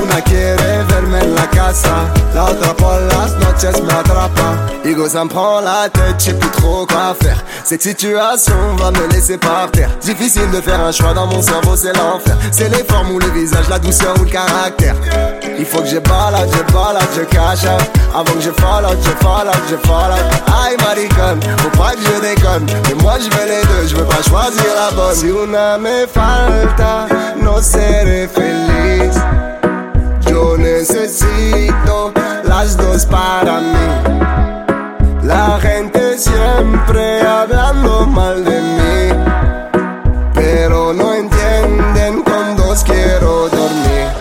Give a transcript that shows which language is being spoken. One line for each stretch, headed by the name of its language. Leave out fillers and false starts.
Spanish: Una quiere verme en la casa, la otra por las noches me atrapa.
French: Ego ça me prend la tête, j'sais plus trop quoi faire. Cette situation va me laisser par terre. Difficile de faire un choix, dans mon cerveau c'est l'enfer. C'est les formes ou le visage, la douceur ou le caractère. Il faut que je balade, je balade, je cache. Avant que je
English: fall out,
French: je fall out, je fall out. Aïe maricone, faut pas que je déconne. Mais moi j'veux les deux, j'veux pas choisir la bonne.
Spanish: Si una me falta, no seré feliz. Yo necesito las dos para mí. La gente siempre hablando mal de mí, pero no entienden cuando quiero dormir.